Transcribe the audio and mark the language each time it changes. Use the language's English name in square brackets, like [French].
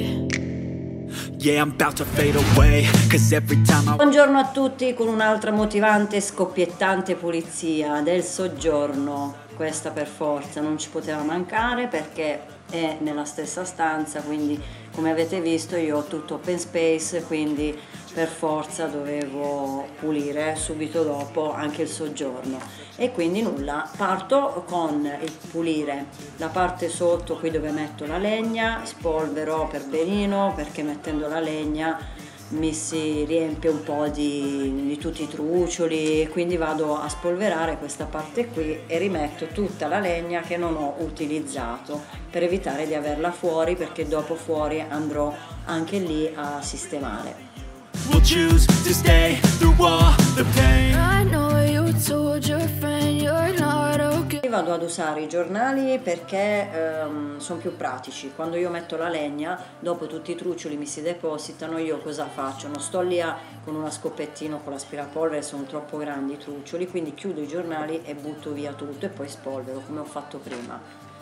[English] Yeah, I'm about to fade away, 'cause every time I... [Italian] Buongiorno a tutti con un'altra motivante scoppiettante pulizia del soggiorno. Questa per forza non ci poteva mancare perché è nella stessa stanza, quindi come avete visto io ho tutto open space, quindi per forza dovevo pulire subito dopo anche il soggiorno. E quindi nulla, parto con il pulire la parte sotto qui dove metto la legna, spolvero per benino perché mettendo la legna mi si riempie un po' di tutti i trucioli, quindi vado a spolverare questa parte qui e rimetto tutta la legna che non ho utilizzato per evitare di averla fuori, perché dopo fuori andrò anche lì a sistemare. [English] We'll choose to stay through all the pain. I know you told your friend you're not okay. [Italian] Vado ad usare i giornali perché sono più pratici. Quando io metto la legna, dopo tutti i truccioli mi si depositano, io cosa faccio? Non sto lì con una scopettina, con l'aspirapolvere, sono troppo grandi i truccioli, quindi chiudo i giornali e butto via tutto e poi spolvero come ho fatto prima.